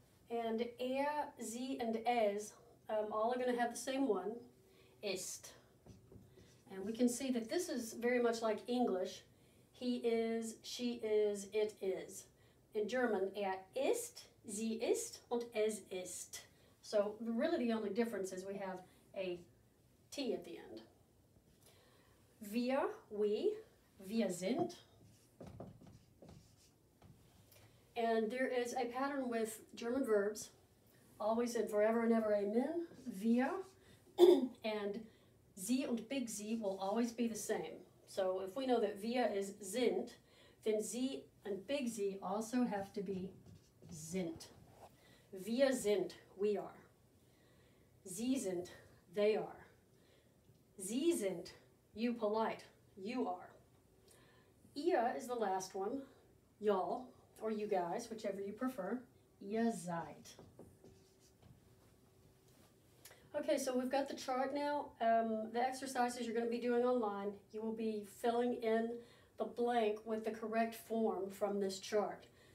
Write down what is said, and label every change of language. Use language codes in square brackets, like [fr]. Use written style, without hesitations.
[en] And er, sie, and es, all are going to have the same one, ist. And we can see that this is very much like English, he is, she is, it is. [de] In German, er ist, sie ist, und es ist. [en] So really the only difference is we have a T at the end. [de] Wir sind. [en] And there is a pattern with German verbs, always and forever and ever, amen, wir, and sie und big sie will always be the same. So if we know that wir is sind, then sie and big sie also have to be sind. Wir sind, we are. Sie sind, they are. Sie sind, you polite, you are. Ihr is the last one, y'all. Or you guys, whichever you prefer. Ihr seid. Okay, so we've got the chart now. The exercises you're going to be doing online, you will be filling in the blank with the correct form from this chart.